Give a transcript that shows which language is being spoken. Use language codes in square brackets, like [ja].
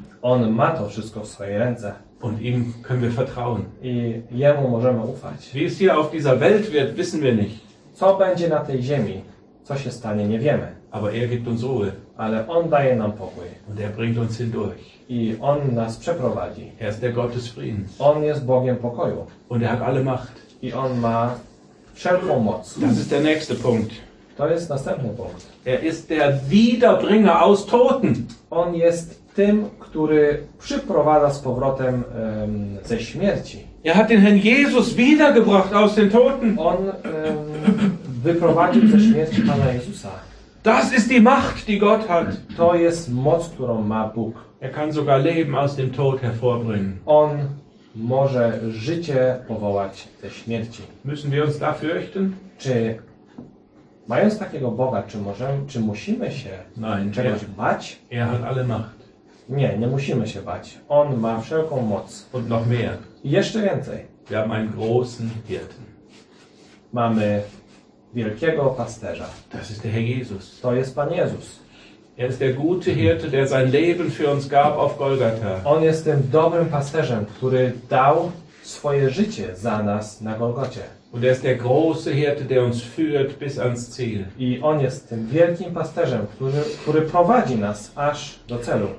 [pl] On ma to wszystko w swojej ręce. [de] Und ihm können wir vertrauen. [pl] I jemu możemy ufać. [de] Wie es hier auf dieser Welt wird, wissen wir nicht. [pl] Co będzie na tej ziemi? Co się stanie, nie wiemy. [de] Aber er gibt uns Ruhe. [pl] Ale on daje nam pokój. [de] Und er bringt uns hindurch. [pl] I on nas przeprowadzi. [de] Er ist der Gott des Friedens. [pl] On jest Bogiem pokoju. [de] Und er hat alle Macht. [pl] I on ma wszelką moc. [de] Das ist der nächste Punkt. [pl] To jest następny punkt. [de] Er ist der Wiederbringer aus Toten. [pl] On jest tym, który przyprowadza z powrotem ze śmierci. [de] Er hat den Herrn Jesus wiedergebracht aus den Toten. [pl] On wyprowadził ze śmierci Pana Jezusa. [de] Das ist die Macht, die Gott hat. [pl] To jest moc, którą ma Bóg. [de] Er kann sogar Leben aus dem Tod hervorbringen. [pl] On może życie powołać ze śmierci. [de] Müssen wir uns dafür fürchten? [pl] Czy mając takiego Boga, czy musimy się czegoś bać? [de] Er hat alle Macht. [pl] Nie, nie musimy się bać. On ma wszelką moc. [de] Und noch mehr. [pl] I jeszcze więcej. [de] Wir haben einen großen Hirten. [pl] Mamy wielkiego pasterza. [de] Das ist der Herr Jesus. [pl] To jest Pan Jezus. [de] Er ist der gute Hirte, der sein Leben für uns gab auf Golgatha. [pl] On jest tym dobrym pasterzem, który dał swoje życie za nas na Golgocie. [de] Und er ist der große Hirte, der uns führt bis ans Ziel. [pl] I on jest tym wielkim pasterzem, który prowadzi nas aż do celu.